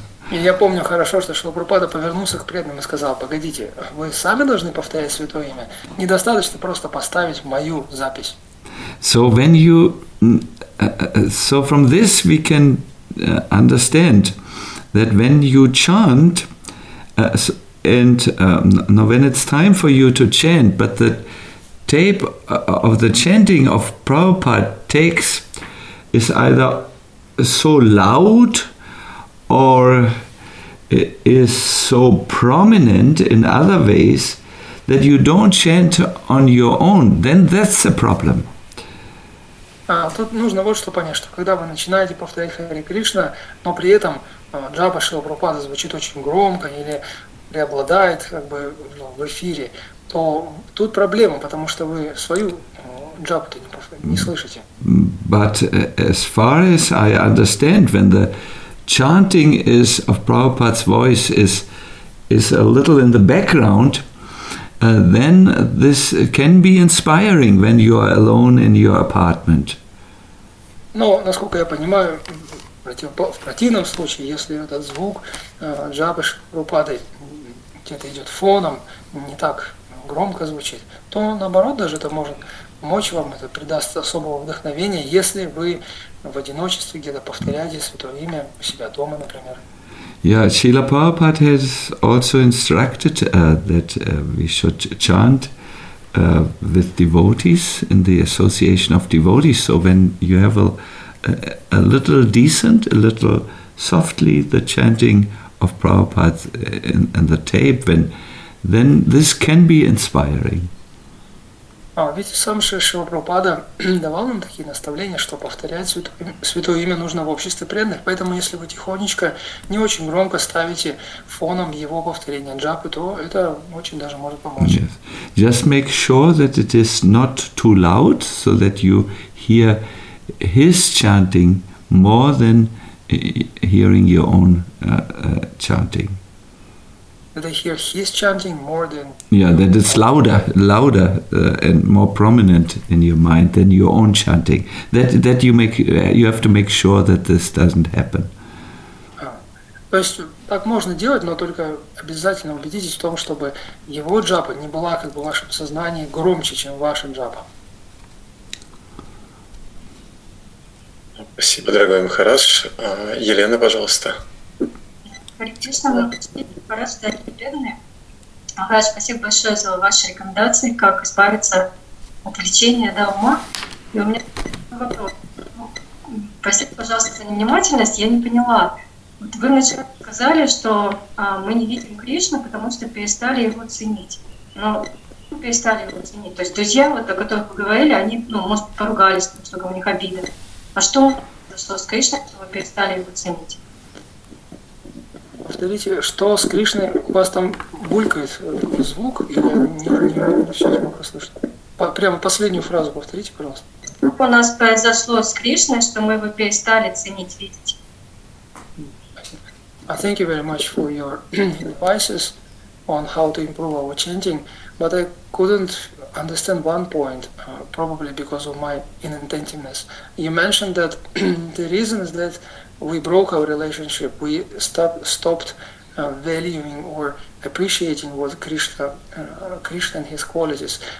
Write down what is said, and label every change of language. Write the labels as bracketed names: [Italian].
[Russian] И я помню хорошо, что Шрила Прабхупада повернулся к преданным и сказал: «Погодите, вы сами должны повторять святое имя. Недостаточно просто поставить мою запись». [English] So when you, so from this we can understand that when you chant, now when it's time for you to chant, but the tape of the chanting of Prabhupada takes is either so loud or is so prominent in other ways that you don't chant on your own, then that's a problem. [Russian] Тут нужно вот что понять, что когда вы начинаете повторять Хари Кришна, но при этом джапа Шрила Прабхупады звучит очень громко или преобладает как бы в эфире, то тут проблема, потому что вы свою джапу-то не слышите. [English] But as far as I understand, when the chanting is of Prabhupada's voice is a little in the background, then this can be inspiring when you are alone in your apartment. [Russian] Но, насколько я понимаю, в противном случае, если этот звук джапы Прабхупады где-то идет фоном, не так громко звучит, то наоборот даже это может помочь вам, это придаст особого вдохновения, если вы в одиночестве где-то повторяете святое имя у себя дома, например. [English] Yeah, Srila Prabhupada has also instructed that we should chant with devotees in the association of devotees. So when you have a little decent, a little softly the chanting of Prabhupada in the tape, then this can be inspiring. [Russian] Ведь сам Шрила Прабхупада давал нам такие наставления, что повторять святое имя нужно в обществе преданных, поэтому если вы тихонечко, не очень громко ставите фоном его повторение джапы, то это очень даже может помочь. [English] Yes. Just make sure that it is not too loud, so that you hear his chanting more than hearing your own chanting. That I hear his chanting more than... Yeah, that it's louder and more prominent in your mind than your own chanting. That you make, you have to make sure that this doesn't happen. [Russian] То есть так можно делать, но только обязательно убедитесь в том, чтобы его джапа не была как бы в вашем сознании громче, чем ваша джапа. Спасибо, дорогой Махарадж. Елена, пожалуйста. Хари Кришна, мы последний раз стали преданные. Махарадж, спасибо большое за ваши рекомендации, как избавиться от лечения, да, ума. И у меня вопрос. Простите, пожалуйста, за невнимательность, я не поняла. Вот вы вначале сказали, что мы не видим Кришну, потому что перестали его ценить. Но перестали его ценить. То есть друзья, вот, о которых вы говорили, они, ну, может, поругались, потому что у них обида. А что произошло с Кришной, что вы перестали его ценить? Повторите, что с Кришной? У вас там булькает звук, и я не все смог услышать. Прямо последнюю фразу повторите, пожалуйста. Как у нас произошло с Кришной, что мы его перестали ценить, видеть? [English] I thank you very much for your advices on how to improve our chanting, but I couldn't understand one point, probably because of my inattentiveness. You mentioned that the reason is that we broke our relationship, we stopped valuing or appreciating what Krishna and his qualities.